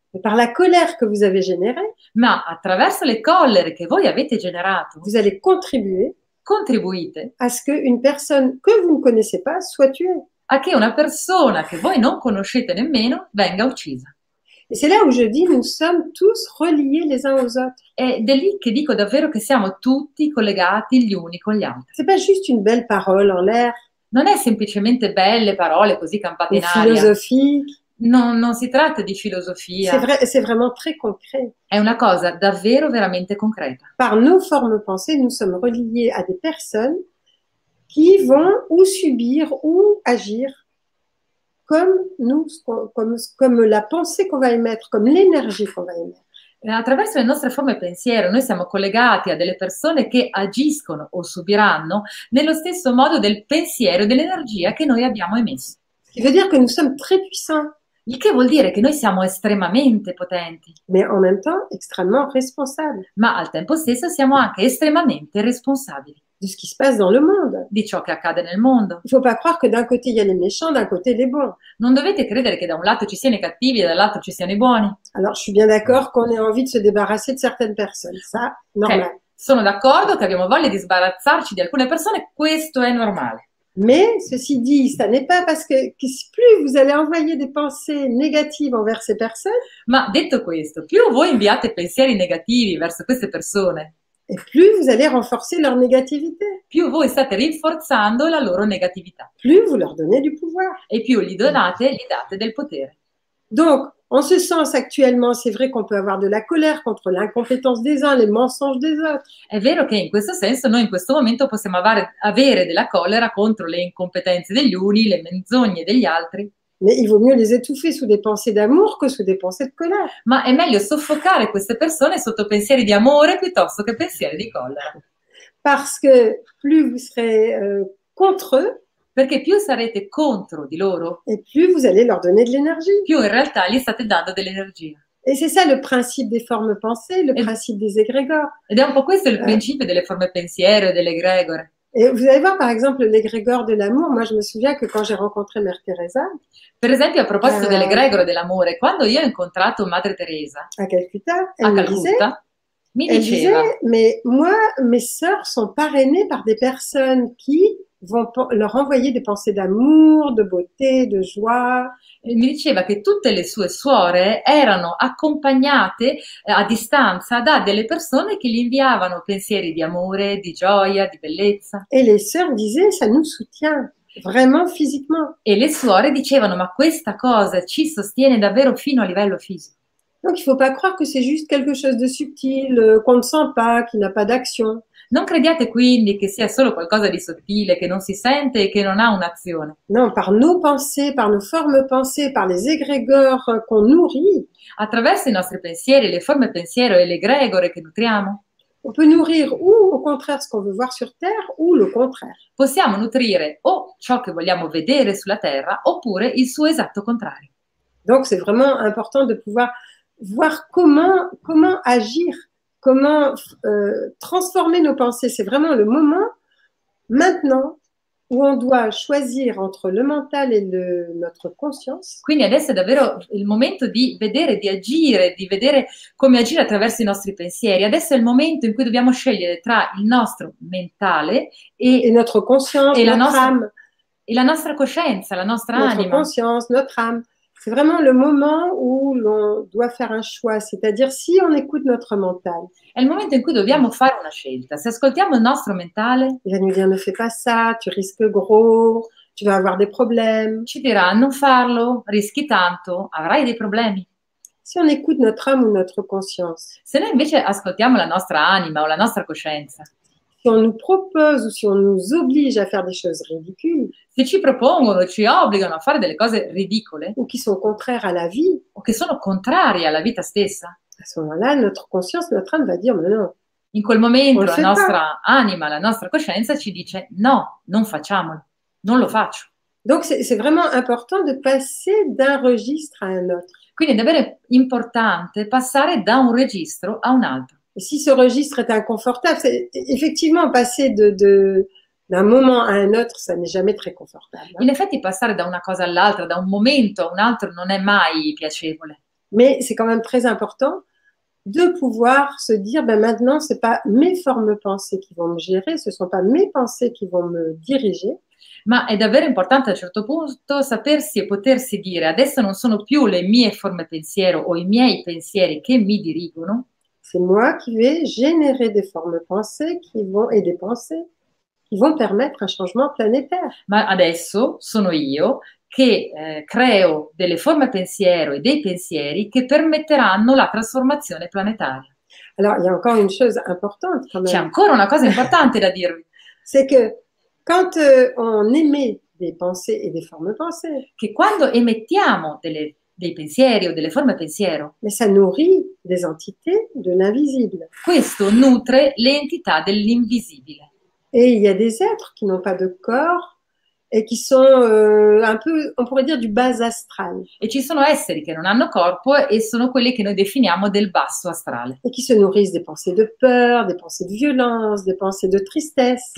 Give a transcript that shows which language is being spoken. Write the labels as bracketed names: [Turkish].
[French] et par la colère que vous avez générée, [Italian] ma attraverso le collere che voi avete generato, [French] vous allez contribuer, [Italian] contribuite, [French] à ce qu'une personne que vous ne connaissez pas soit tuée. [Italian] A che una persona che voi non conoscete nemmeno venga uccisa. [French] Et c'est là où je dis, nous sommes tous reliés les uns aux autres. [Italian] Ed è lì che dico davvero che siamo tutti collegati gli uni con gli altri. [French] C'est pas juste une belle parole en l'air. [Italian] Non è semplicemente belle parole così campate in aria. Filosofie. Non si tratta di filosofia. [French] C'est vraiment très concret. [Italian] È una cosa davvero veramente concreta. [French] Par nos formes pensées, nous sommes reliés à des personnes qui vont ou subir ou agir comme nous, comme la pensée qu'on va émettre, comme l'énergie qu'on va émettre. [Italian] Attraverso le nostre forme pensiero, noi siamo collegati a delle persone che agiscono o subiranno nello stesso modo del pensiero e dell'energia che noi abbiamo emesso. [French] Il veut dire que nous sommes très puissants. [Italian] Il che vuol dire che noi siamo estremamente potenti. [French] Mais en même temps, extrêmement responsables. [Italian] Ma al tempo stesso siamo anche estremamente responsabili. [French] De ce qui se passe dans le monde. [Italian] Di ciò che accade nel mondo. [French] Il ne faut pas croire que d'un côté il y a les méchants, d'un côté les bons. [Italian] Non dovete credere che da un lato ci siano i cattivi e dall'altro ci siano i buoni. [French] Alors je suis bien d'accord qu'on ait envie de se débarrasser de certaines personnes. Ça, normal. Okay. [Italian] Sono d'accordo che abbiamo voglia di sbarazzarci di alcune persone. Questo è normale. [French] Mais ceci dit, ça n'est pas parce que plus vous allez envoyer des pensées négatives envers ces personnes, [Italian] ma detto questo, più voi inviate pensieri negativi verso queste persone, [French] et plus vous allez renforcer leur négativité, [Italian] più voi state rinforzando la loro negatività, [French] plus vous leur donnez du pouvoir, [Italian] e più gli date del potere. [French] Donc, en ce sens, actuellement, c'est vrai qu'on peut avoir de la colère contre l'incompétence des uns, les mensonges des autres. [Italian] È vero che in questo senso noi in questo momento possiamo avere della collera contro le incompetenze degli uni, le menzogne degli altri. [French] Mais il vaut mieux les étouffer sous des pensées d'amour que sous des pensées de colère. [Italian] Ma è meglio soffocare queste persone sotto pensieri di amore piuttosto che pensieri di collera. [French] Parce que plus vous serez contre eux, [Italian] Perché più sarete contro di loro, e più [French] vous allez leur donner de l'énergie. [Italian] Più in realtà gli state dando dell'energia. [French] E c'est ça le principe des formes pensées, le principe des égrégores. [Italian] Ed è un po' questo il principio delle forme pensiere, delle egregore. [French] Et vous allez voir, par exemple, l'égrégore de l'amour. Moi, je me souviens que quand j'ai rencontré Mère Teresa. [Italian] Per esempio, a proposito dell'égrégore dell'amore, quando io ho incontrato Madre Teresa. [French] À Calcutta. Elle me disait, mais moi, mes sœurs sont parrainées par des personnes qui vont leur envoyer des pensées d'amour, de beauté, de joie. [Italian] Mi diceva che tutte le sue suore erano accompagnate a distanza da delle persone che gli inviavano pensieri di amore, di gioia, di bellezza. [French] E le sœurs disaient, ça nous soutient, vraiment physiquement. [Italian] E le suore dicevano, ma questa cosa ci sostiene davvero fino a livello fisico. [French] Donc il faut pas croire que c'est juste quelque chose de subtil, qu'on ne sent pas, qui n'a pas d'action. [Italian] Non crediate quindi che sia solo qualcosa di sottile, che non si sente e che non ha un'azione. [French] Non, par nos pensées, par nos formes pensées, par les égrégores qu'on nourrit. [Italian] Attraverso i nostri pensieri, le forme pensiero e le egregore che nutriamo. [French] On peut nourrir ou au contraire ce qu'on veut voir sur terre ou le contraire. [Italian] Possiamo nutrire o ciò che vogliamo vedere sulla terra oppure il suo esatto contrario. [French] Donc c'est vraiment important de pouvoir voir comment agir, comment transformer nos pensées. C'est vraiment le moment maintenant où on doit choisir entre le mental et notre conscience. [Italian] Quindi adesso è davvero il momento di vedere, di agire, di vedere come agire attraverso i nostri pensieri. Adesso è il momento in cui dobbiamo scegliere tra il nostro mentale e [French] notre conscience, [Italian] e [French] notre âme. [Italian] E la nostra coscienza, la nostra [French] notre [Italian] anima. [French] Conscience, notre âme. C'est vraiment le moment où l'on doit faire un choix, c'est-à-dire si on écoute notre mental. [Italian] È il momento in cui dobbiamo fare una scelta. Se ascoltiamo il nostro mentale, [French] il va nous dire ne fais pas ça, tu risques gros, tu vas avoir des problèmes. [Italian] Ci dirà non farlo, rischi tanto, avrai dei problemi. [French] Si on écoute notre âme ou notre conscience. [Italian] Se noi invece ascoltiamo la nostra anima o la nostra coscienza. [French] Si on nous propose ou si on nous oblige à faire des choses ridicules. [Italian] Se ci propongono, ci obbligano a fare delle cose ridicole. [French] Ou qui sont contraires à la vie. [Italian] O che sono contrari alla vita stessa. [French] À ce moment-là, notre conscience, notre âme va dire, mais non. [Italian] In quel momento la nostra anima, la nostra coscienza ci dice, no, non facciamolo, non lo faccio. [French] Donc c'est vraiment important de passer d'un registre à un autre. [Italian] Quindi è davvero importante passare da un registro a un altro. [French] Si ce registre est inconfortable, c'est effectivement passer d'un moment à un autre, ça n'est jamais très confortable. [Italian] In effetti, passare da una cosa all'altra, da un momento a un altro, non è mai piacevole. [French] Mais c'est quand même très important de pouvoir se dire, ben maintenant, c'est pas mes formes pensées qui vont me gérer, ce sont pas mes pensées qui vont me diriger. [Italian] Ma è davvero importante a un certo punto sapersi e potersi dire, adesso non sono più le mie forme pensiero o i miei pensieri che mi dirigono. [French] C'est moi qui vais générer des formes pensées qui vont et des pensées qui vont permettre un changement planétaire. [Italian] Ma adesso sono io che creo delle forme pensiero e dei pensieri che permetteranno la trasformazione planetaria. [French] Alors, il y a encore une chose importante quand même. [Italian] C'è ancora una cosa importante da dirvi. [French] C'est que quand on émet des pensées et des formes pensées, [Italian] che quando emettiamo dei pensieri o delle forme pensiero. [French] Mais ça nourrit des entités de l'invisible. [Italian] Questo nutre le entità dell'invisibile. [French] Et il y a des êtres qui n'ont pas de corps et qui sont un peu, on pourrait dire, du bas astral. [Italian] E ci sono esseri che non hanno corpo e sono quelli che noi definiamo del basso astrale. [French] Et qui se nourrissent des pensées de peur, des pensées de violence, des pensées de tristesse.